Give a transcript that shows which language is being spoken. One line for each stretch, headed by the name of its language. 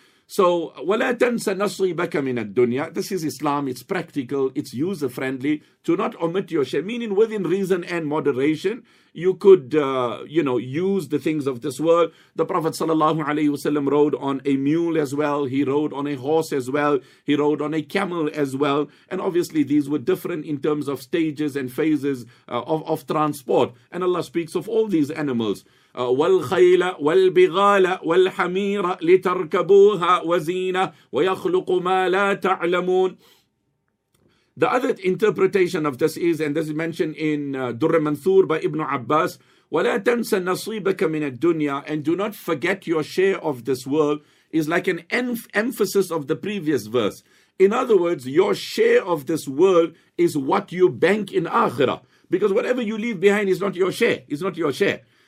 English: So,
Arabic: وَلَا تَنْسَ نَصْرِبَكَ مِنَ الدُّنْيَا,
English: this is Islam, it's practical, it's user-friendly, to not omit your share, meaning within reason and moderation, you could, use the things of this world. The Prophet sallallahu alaihi wasallam rode on a mule as well, he rode on a horse as well, he rode on a camel as well, and obviously these were different in terms of stages and phases of transport, and Allah speaks of all these animals.
Arabic: والخيل والبغال والحمير لتركبوها وزينة ويخلق ما لا تعلمون.
English: The other interpretation of this is, and this is mentioned in Durr Manthur by Ibn Abbas,
Arabic: وَلَا تَنْسَ نَصِيبَكَ مِنَ الدُّنْيَا,
English: and do not forget your share of this world, is like an emphasis of the previous verse. In other words, your share of this world is what you bank in Akhirah, because whatever you leave behind is not your share, is not your share.